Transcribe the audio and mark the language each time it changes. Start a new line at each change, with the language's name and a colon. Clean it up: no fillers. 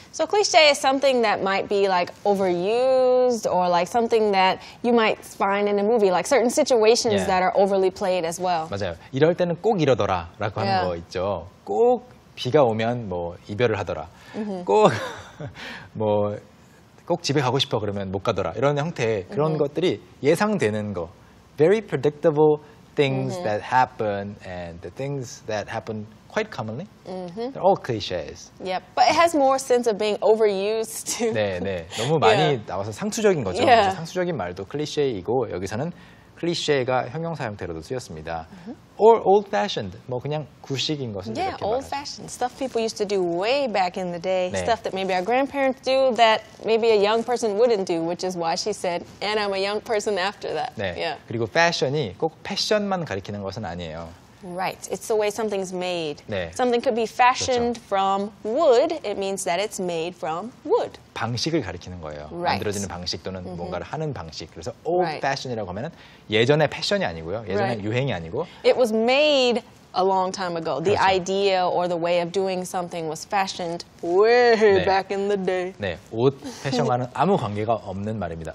English: So cliche is something that might be like overused or like something that you might find in a movie, like certain situations that are overly played as well.
Korean: 맞아요. 이럴 때는 꼭 이러더라 라고 하는 거 있죠. 꼭 비가 오면 뭐 이별을 하더라. 꼭 집에 가고 싶어 그러면 못 가더라. 이런 형태의 그런 것들이 예상되는 거.
English: Very predictable. Things that happen and the things that happen quite commonly, they're all cliches. Yep, but it has more sense of being overused.
Korean: 네, 네. 너무 많이 나와서 상투적인 거죠.
English: Yeah.
Korean: 상투적인 말도 클리셰이고 여기서는 클리셰가 형용사 형태로도 쓰였습니다.
English: Or old-fashioned,
Korean: 뭐 그냥 구식인 것은 이렇게 말하죠.
English: Yeah, old-fashioned. Stuff people used to do way back in the day.
Korean: 네.
English: Stuff that maybe our grandparents do that maybe a young person wouldn't do, which is why she said, and I'm a young person after that.
Korean: 네, yeah. 그리고 fashion이 꼭 패션만 가리키는 것은 아니에요.
English: Right, it's the way something's made.
Korean: 네.
English: Something could be fashioned
Korean: 그렇죠.
English: from wood, it means that it's made from wood.
Korean: 방식을 가리키는 거예요.
English: Right.
Korean: 만들어지는 방식 또는 뭔가를 하는 방식. 그래서 old right. fashion이라고 하면 예전의 패션이 아니고요. 예전의
English: right.
Korean: 유행이 아니고.
English: It was made a long time ago.
Korean: 그렇죠.
English: The idea or the way of doing something was fashioned way 네. back in the day.
Korean: 네, 옷 패션과는 아무 관계가 없는 말입니다.